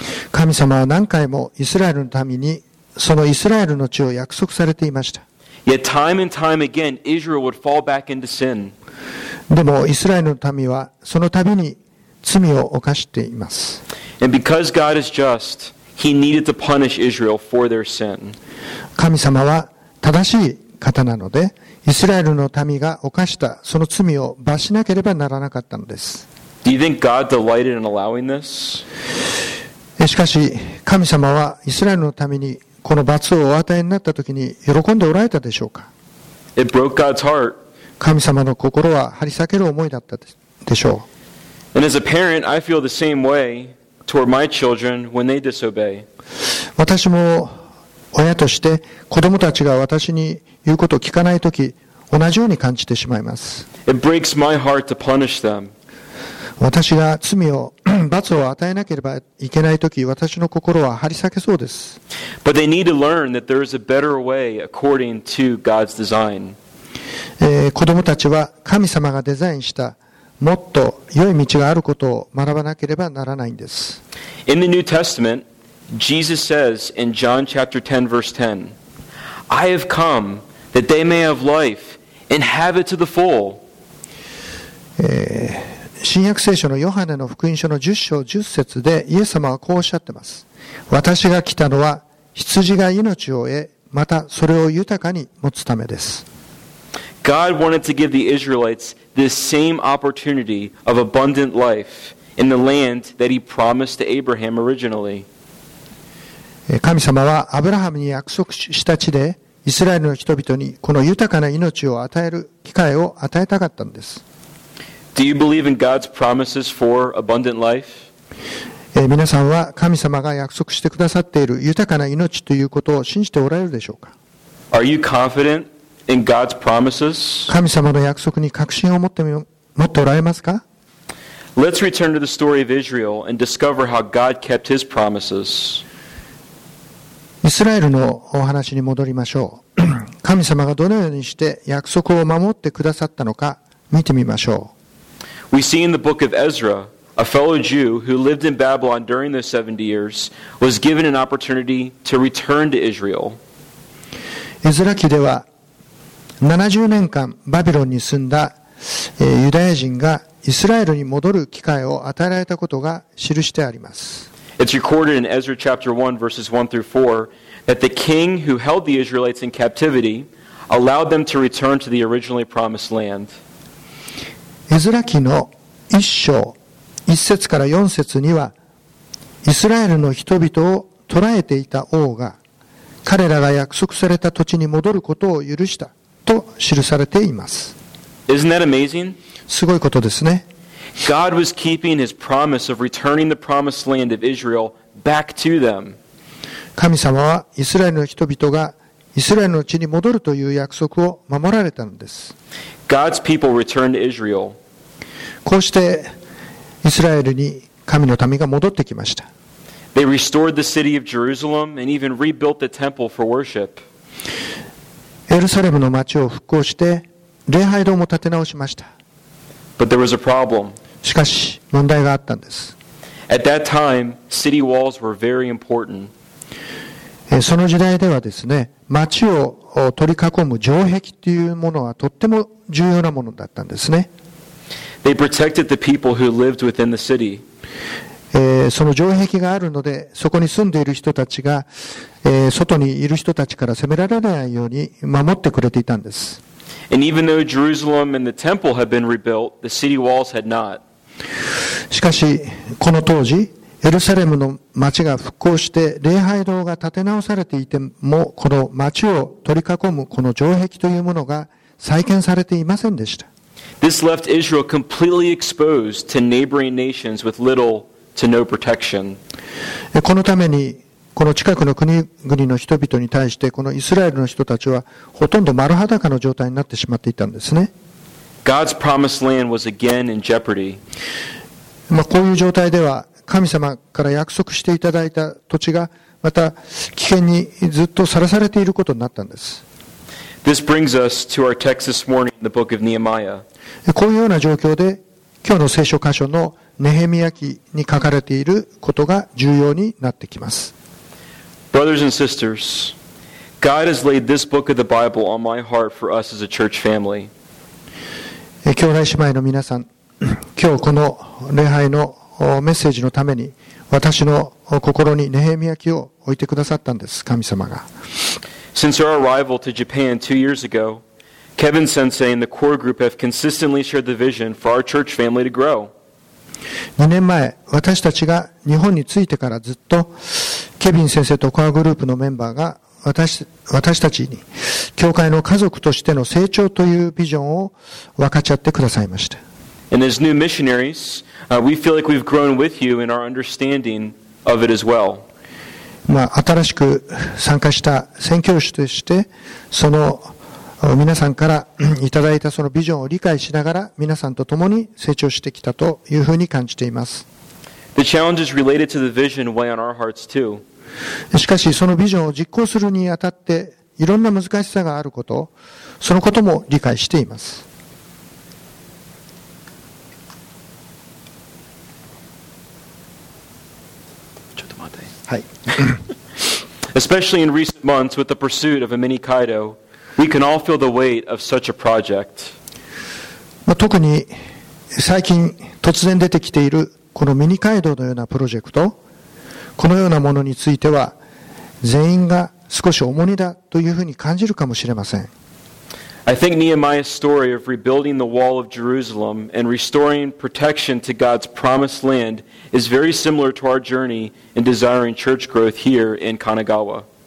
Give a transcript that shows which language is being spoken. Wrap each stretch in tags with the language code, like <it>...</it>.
<ja>神様は何回もイスラエルの民にそのイスラエルの地を約束されていました。</ja> <en>Yet time and time again, Israel would fall back into sin.</en> <ja>でもイスラエルの民はその度に罪を犯しています。</ja> <en>And because God is just, He needed to punish Israel for their sin.</en> <ja>神様は正しい方なので、イスラエルの民が犯したその罪を罰しなければならなかったのです。</ja> <en>Do you think God delighted in allowing this?</en> <ja>しかし神様はイスラエルのためにこの罰をお与えになったときに喜んでおられたでしょうか。</ja> <en>It broke God's heart.</en> <ja>神様の心は張り裂ける思いだったでしょう。</ja> <en>And as a parent, I feel the same way toward my children when they disobey.</en> <ja>私も親として子供たちが私に言うことを聞かないとき、同じように感じてしまいます。</ja> <en>It breaks my heart to punish them.</en> <ja>私が罪を罰を与えなければいけないとき、私の心は張り裂けそうです。</ja> <en>But they need to learn that there is a better way according to God's design.</en> <ja>子供たちは神様がデザインしたもっと良い道があることを学ばなければならないんです。</ja> <en>In the New Testament, Jesus says in John chapter 10 verse 10, I have come that they may have life and have it to the full.</en> <ja>新約聖書のヨハネの福音書の10章10節でイエス様はこうおっしゃってます。私が来たのは羊が命を得、またそれを豊かに持つためです。</ja> <en>God wanted to give the Israelites this same opportunity of abundant life in the land that He promised to Abraham originally.</en> <ja>神様はアブラハムに約束した地でイスラエルの人々にこの豊かな命を与える機会を与えたかったんです。</ja> <en>Do you believe in God's promises for abundant life?</en> <ja>皆さんは神様が約束してくださっている豊かな命ということを信じておられるでしょうか?</ja> <en>Are you confident? In God's promises.</en> <ja>神様の約束に確信を持っておられますか?</ja> <en>Let's return to the story of Israel and discover how God kept His promises.</en> <ja>イスラエルのお話に戻りましょう。神様がどのようにして約束を守ってくださったのか見てみましょう。</ja> <en>We see in the book of Ezra, a fellow Jew who lived in Babylon during those 70 years was given an opportunity to return to Israel.</en> <ja>エズラ記では70年間バビロンに住んだユダヤ人がイスラエルに戻る機会を与えられたことが記してあります。</ja> <en>It's recorded in Ezra chapter 1 verses 1 through 4 that the king who held the Israelites in captivity allowed them to return to the originally promised land.</en> <ja>エズラ記の1章1節から4節にはイスラエルの人々を捕らえていた王が彼らが約束された土地に戻ることを許した。と記されています。</ja> <en>Isn't that amazing?</en> <ja>すごいことですね。</ja> <en>God was keeping His promise of returning the promised land of Israel back to them.</en> <ja>神様はイスラエルの人々がイスラエルの地に戻るという約束を守られたのです。</ja> <en>God's people returned to Israel.</en> <ja>こうしてイスラエルに神の民が戻ってきました。</ja> <en>They restored the city of Jerusalem and even rebuilt the temple for worship.</en> <ja>エルサレムの町を復興して礼拝堂も建て直しました。</ja> <en>But there was a problem.</en> <ja>しかし問題があったんです。</ja> <en>At that time, city walls were very important.</en> <ja>その時代ではですね、町を取り囲む城壁というものはとっても重要なものだったんですね。</ja> <en>They protected the people who lived within the city.</en> <ja>その城壁があるのでそこに住んでいる人たちが外にいる人たちから攻められないように守ってくれていたんです。</ja> <en>And even though Jerusalem and the temple had been rebuilt, the city walls had not.</en> <ja>しかし、この当時、エルサレムの町が復興して礼拝堂が建て直されていても、この町を取り囲むこの城壁というものが再建されていませんでした。</ja> <en>This left Israel completely exposed to neighboring nations with little to no protection.</en> <ja>このためにこの近くの国々の人々に対してこのイスラエルの人たちはほとんど丸裸の状態になってしまっていたんですね。</ja> <en>God's promised land was again in jeopardy.</en> <ja>まあこういう状態では神様から約束していただいた土地がまた危険にずっとさらされていることになったんです。</ja> <en>This brings us to our text this morning in the book of Nehemiah.</en> <ja>こういうような状況で今日の聖書箇所のネヘミヤ記に書かれていることが重要になってきます。</ja> <en>Brothers and sisters, God has laid this book of the Bible on my heart for us as a church family.</en> <ja>兄弟姉妹の皆さん、今日この礼拝のメッセージのために私の心にネヘミヤ記を置いてくださったんです、神様が。</ja> <en>Since our arrival to Japan 2 years ago, Kevin Sensei and the core group have consistently shared the vision for our church family to grow.</en> <ja>2年前、私たちが日本に着いてからずっとケビン先生とコアグループのメンバーが 私たちに教会の家族としての成長というビジョンを分かち合ってくださいました。</ja> <en>And as new missionaries, we feel like we've grown with you in our understanding of it as well.</en> <ja>まあ、新しく参加した宣教師として、その皆さんからいただいたそのビジョンを理解しながら皆さんと共に成長してきたというふうに感じています。しかしそのビジョンを実行するにあたっていろんな難しさがあること、そのことも理解しています。ちょっと待って、はい。</ja> <en>Especially in recent months with the pursuit of a mini Kaido, we can all feel the weight of such a project.</en> <ja>特に最近突然出てきているこのミニカイドのようなプロジェクト、このようなものについては全員が少し重荷だというふうに感じるかもしれません。</ja> <en>I think Nehemiah's story of rebuilding the wall of Jerusalem and restoring protection to God's promised land is very similar to our journey in desiring church growth here in Kanagawa.</en>